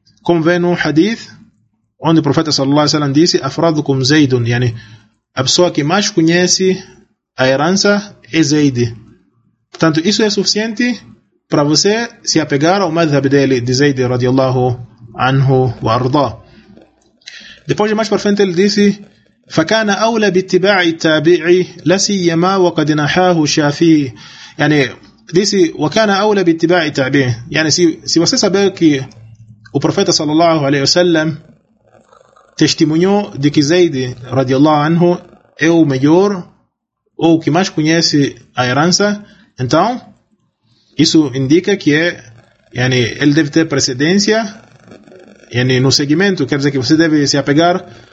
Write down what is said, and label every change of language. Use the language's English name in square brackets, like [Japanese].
[Portuguese] Como vem no hadith onde o profeta sallallahu alaihi wasallam disse: [Arabic] afradukum Zaydun. [Portuguese] Yani, a pessoa que mais conhece a herança é Zayd. Portanto, isso é suficiente para você se apegar ao madhab dele, de Zayd radiallahu anhu wa arda. Depois de mais para frente, ele disse: [Arabic] فَكَانَ أَوْلَى بِاتِّبَاعِ التَّابِعِ لَسِيَّمَا وَقَدْ نَحَاهُ شَافِي. [Portuguese] Yani, disse: [Arabic] وَكَانَ أَوْلَى بِاتِّبَاعِ التَّابِعِ. [Portuguese] Yani, se você saber que o profeta sallallahu alaihi wasallam testemunhou de que Zayd radiallahu anhu é o melhor ou que mais conhece a herança, então isso indica que é, yani, ele deve ter precedência yani, no seguimento. Quer dizer que você deve se apegar